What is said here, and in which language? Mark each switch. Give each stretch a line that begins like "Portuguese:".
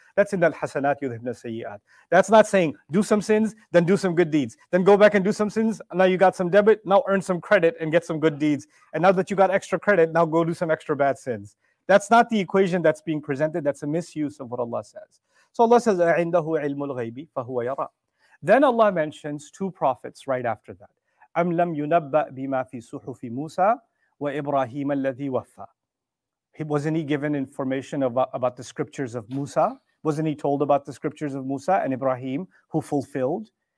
English: That's in that
Arabic: hasanat yudhibna sayyi'at.
English: That's not saying, do some sins, then do some good deeds. Then go back and do some sins, and now you got some debit, now earn some credit and get some good deeds. And now that you got extra credit, now go do some extra bad sins. That's not the equation that's being presented. That's a misuse of what Allah says. So Allah says,
Arabic: عِنْدَهُ عِلْمُ الْغَيْبِ فَهُوَ يَرَى.
English: Then Allah mentions two prophets right after that.
Arabic: أَمْ لَمْ يُنَبَّأْ بِمَا فِي صُحُفِ مُوسَى وَإِبْرَاهِيمَ الَّذِي وَفَّى.
English: Wasn't he given information about the scriptures of Musa? Wasn't he told about the scriptures of Musa and Ibrahim who fulfilled?